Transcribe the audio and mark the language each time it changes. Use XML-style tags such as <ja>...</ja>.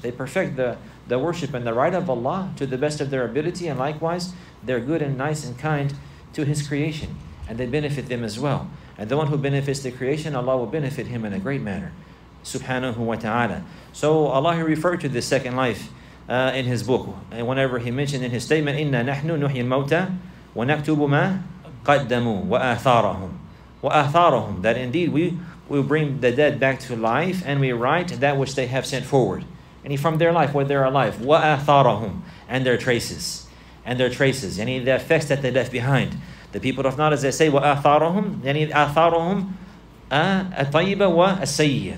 <en>They perfect the worship and the right of Allah to the best of their ability, and likewise, they're good and nice and kind to his creation. and they benefit them as well. And the one who benefits the creation, Allah will benefit him in a great manner. Subhanahu wa ta'ala. So Allah referred to this second life in his book. And whenever he mentioned in his statement,</en> <ar>إِنَّا نَحْنُ نُحْيِي الْمَوْتَى وَنَكْتُبُ مَا قَدَّمُوا وَآثَارَهُمْ وَآثَارَهُم.</ar> <en>That indeed we will bring the dead back to life and we write that which they have sent forward. And from their life, where they're alive.</en> <ar>وَآثَارَهُمْ.</ar> <en>And their traces. And their traces. Any of the effects that they left behind. The people of knowledge, they say,</en> <ar>وَآثَارَهُمْ.</ar> <en>Any</en> <ar>آثَارَهُمْ. الطَيِّبَ وَالسَّيِّيَ.</ar>